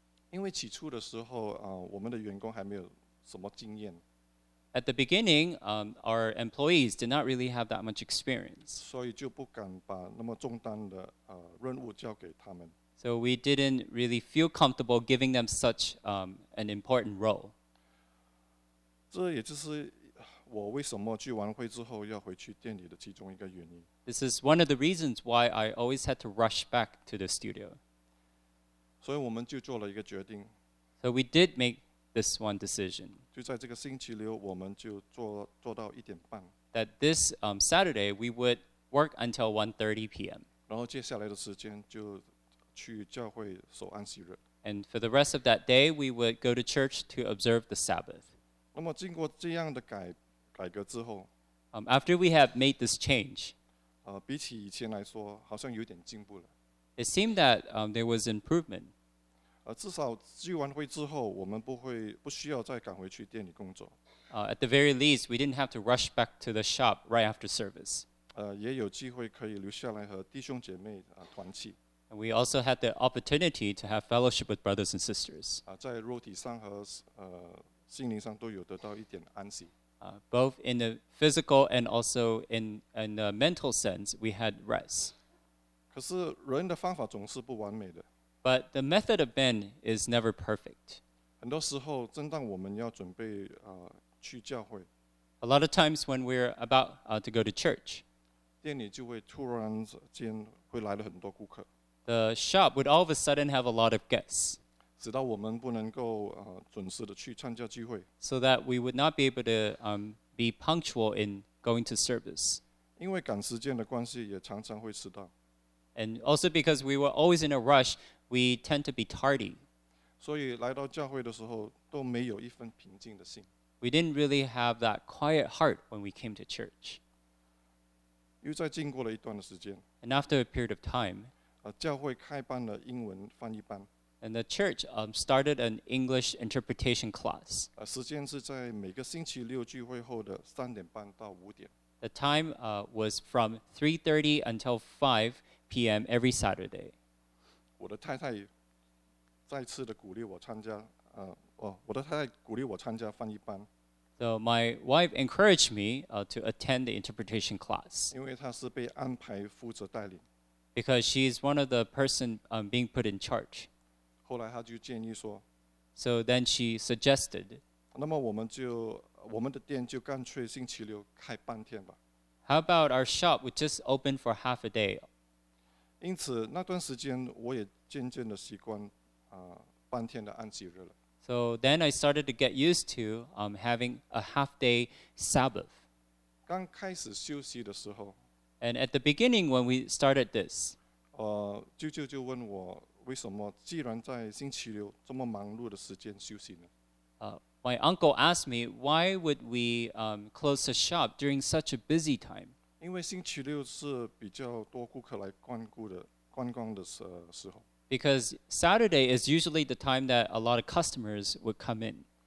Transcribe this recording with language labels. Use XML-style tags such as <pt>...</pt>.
<zh>因为起初的时候，我们的员工还没有什么经验。</zh> <en>At the beginning, our employees did not really have that much experience.</en> <zh>所以就不敢把那么重担的任务交给他们。</zh> <en>So we didn't really feel comfortable giving them such an important role.</en> <zh>这也就是我为什么聚完会之后要回去店里的其中一个原因。</zh> <en>This is one of the reasons why I always had to rush back to the studio.</en> <zh>所以我们就做了一个决定。</zh> <en>So we did make this one decision.</en> <zh>就在这个星期六，我们就做到一点半。</zh> <en>That this Saturday we would work until 1:30 p.m.</en> <zh>然后接下来的时间就去教会守安息日。</zh> <en>And for the rest of that day, we would go to church to observe the Sabbath.</en> <zh>那么经过这样的改革之后，</zh> <en>after we have made this change.</en> <zh>比起以前来说，好像有点进步了。</zh> <en>It seemed that there was improvement.</en> <zh>至少聚完会之后，我们不需要再赶回去店里工作。</zh> <en>At the very least, we didn't have to rush back to the shop right after service.</en> <zh>也有机会可以留下来和弟兄姐妹团契。</zh> <en>And we also had the opportunity to have fellowship with brothers and sisters.</en> <zh>在肉体上和心灵上都有得到一点安息。</zh> <en>Both in the physical and also in the mental sense, we had rest.</en> <zh>可是人的方法总是不完美的。</zh> <en>But the method of man is never perfect.</en> <zh>很多时候，正当我们要准备去教会，</zh> <en>a lot of times when we're about to go to church,</en> <zh>店里就会突然间会来了很多顾客。</zh> <en>The shop would all of a sudden have a lot of guests.</en> <zh>直到我们不能够准时的去参加聚会。</zh> <en>So that we would not be able to be punctual in going to service.</en> <zh>因为赶时间的关系也常常会迟到。</zh> <en>And also because we were always in a rush, we tend to be tardy.</en> <zh>所以来到教会的时候都没有一份平静的心。</zh> <en>We didn't really have that quiet heart when we came to church.</en> <zh>又再经过了一段的时间。</zh> <en>And after a period of time,</en> <zh>教会开办了英文翻译班。</zh> <en>And the church started an English interpretation class.</en> <zh>时间是在每个星期六聚会后的三点半到五点。</zh> <en>The time was from 3:30 until 5 p.m. every Saturday.</en> <zh>我的太太再次的鼓励我参加，我的太太鼓励我参加翻译班。</zh> <en>So my wife encouraged me to attend the interpretation class.</en> <zh>因为她是被安排负责带领。</zh> <en>Because she is one of the person being put in charge.</en> <zh>后来他就建议说</zh> <en>So then she suggested</en> <zh>那么我们的店就干脆星期六开半天吧。</zh> <en>How about our shop would just open for half a day?</en> <zh>因此那段时间我也渐渐的习惯半天的安息日了。</zh> <en>So then I started to get used to having a half day Sabbath.</en> <zh>刚开始休息的时候</zh> <en>And at the beginning when we started this,</en> <zh>舅舅问我为什么既然在星期六这么忙碌的时间休息呢？</zh> <en>My uncle asked me, why would we close the shop during such a busy time?</en> <zh>因为星期六是比较多顾客来观光的时候。</zh> <en>Because Saturday is usually the time that a lot of customers would come in.</en>